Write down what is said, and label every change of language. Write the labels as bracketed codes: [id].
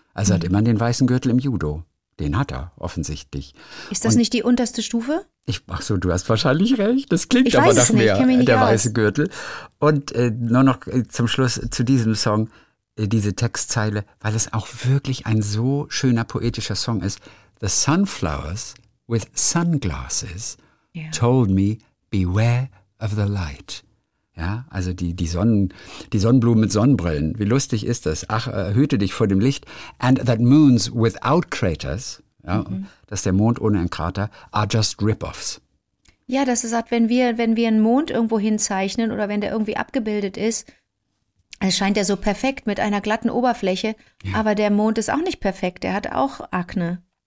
[de] Also hat immer den weißen Gürtel im Judo. Den hat er, offensichtlich. Ist das nicht die unterste Stufe? Ach so, du hast wahrscheinlich recht. Das klingt aber nach mehr, der weiße Gürtel. Und nur noch zum Schluss zu diesem Song, diese Textzeile, weil es auch wirklich ein so schöner, poetischer Song ist. [en] The sunflowers with sunglasses told me, beware of the light. [de] Ja, also die Sonnenblumen mit Sonnenbrillen. Wie lustig ist das? Ach, hüte dich vor dem Licht. [en] And that moons without craters, [de] dass der Mond ohne einen Krater, [en] are just rip-offs. [de] Ja, dass er sagt, wenn wir einen Mond irgendwo hinzeichnen oder wenn der irgendwie abgebildet ist, es scheint ja so perfekt mit einer glatten Oberfläche, aber der Mond ist auch nicht perfekt, der hat auch Akne.